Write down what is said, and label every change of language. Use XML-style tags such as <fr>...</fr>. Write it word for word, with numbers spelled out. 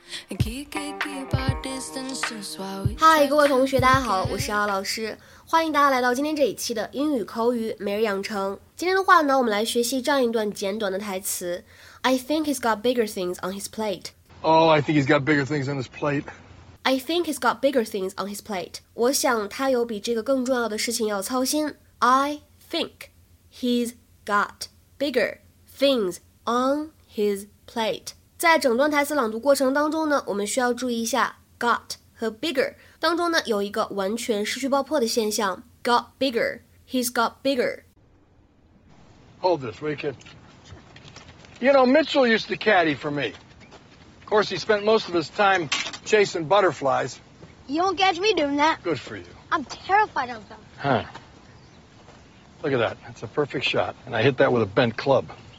<en>Keep keep keep our distance just while we.</en> <zh>嗨，各位同学，大家好，我是姚老师，欢迎大家来到今天这一期的英语口语每日养成。今天的话呢，我们来学习这样一段简短的台词。</zh> <en>I think he's got bigger things on his plate. Oh, I think he's got bigger things on his plate. I think he's got bigger things on his plate.</en> <zh>我想他有比这个更重要的事情要操心。</zh> <en>I. think he's got bigger things on his plate.</en> <zh>在整段台词朗读过程当中呢，我们需要注意一下 got 和 bigger 当中呢有一个完全失去爆破的现象</zh> <en>got bigger, he's got bigger. Hold this, we can. You know, Mitchell used to caddy for me. Of course, he spent most of his time chasing butterflies. You don't catch me doing that. Good for you. I'm terrified of them. Huh. Look at that. That's a perfect shot. And I hit that with a bent club.</en>